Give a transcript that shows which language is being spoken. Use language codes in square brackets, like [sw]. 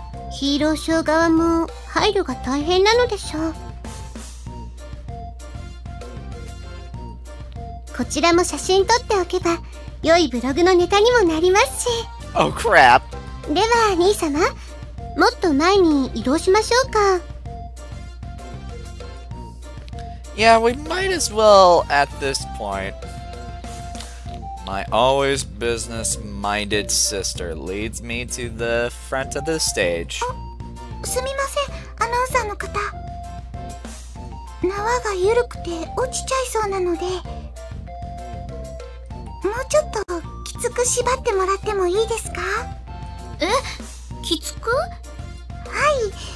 [ja] ヒーローショー側も配慮が大変なのでしょう。こちらも写真撮っておけば良いブログのネタにもなりますし。 [en] Oh crap! [ja] では兄様、もっと前に移動しましょうか。 [en] Yeah, we might as well at this point. My always business-minded sister leads me to the front of the stage. [ja] すみません、アナウンサーの方、縄が緩くて落ちちゃいそうなので、もうちょっときつく縛ってもらってもいいですか？え？きつく？はい。